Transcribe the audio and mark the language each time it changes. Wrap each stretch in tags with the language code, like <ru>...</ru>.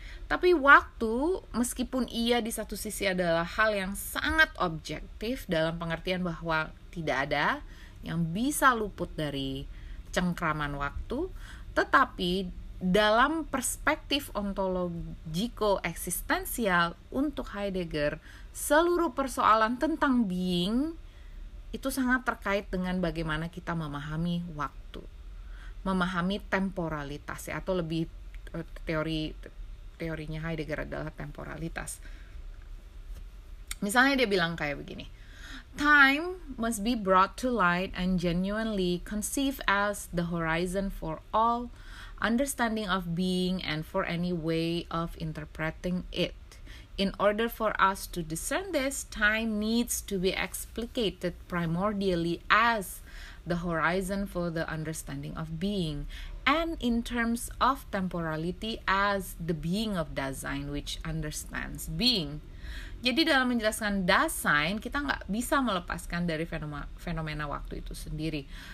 <id>Tapi waktu, meskipun ia di satu sisi adalah hal yang sangat objektif dalam pengertian bahwa tidak ada yang bisa luput dari cengkraman waktu, tetapi dalam perspektif ontologiko eksistensial untuk Heidegger, seluruh persoalan tentang being itu sangat terkait dengan bagaimana kita memahami waktu. memahami temporalitas ya, atau lebih teori teorinya Heidegger adalah temporalitas. Misalnya dia bilang kayak begini,</id> <en>time must be brought to light and genuinely conceived as the horizon for all understanding of being and for any way of interpreting it. In order for us to discern this, time needs to be explicated primordially as the horizon for the understanding of being, and in terms of temporality as the being of Dasein which understands being.</en> <id>Jadi dalam menjelaskan Dasein, kita nggak bisa melepaskan dari fenomena waktu itu sendiri.</id>